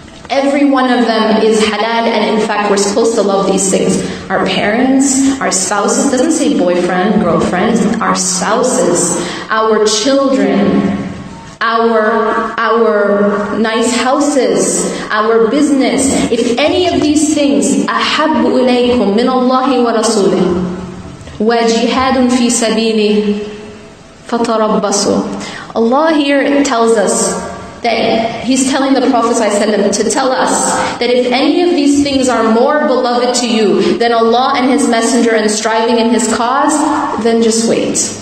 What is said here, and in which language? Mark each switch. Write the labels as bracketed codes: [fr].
[en] Every one of them is halal, and in fact, we're supposed to love these things. Our parents, our spouses, doesn't say boyfriend, girlfriend, our spouses, our children, our nice houses, our business. If any of these things, [ar] أَحَبُّ إِلَيْكُمْ مِنَ اللَّهِ وَرَسُولِهِ وَجِهَادٌ فِي سَبِيلِهِ فَتَرَبَّصُوا. [en] Allah here tells us, that he's telling the Prophet ﷺ to tell us that if any of these things are more beloved to you than Allah and His Messenger and striving in His cause, then just wait.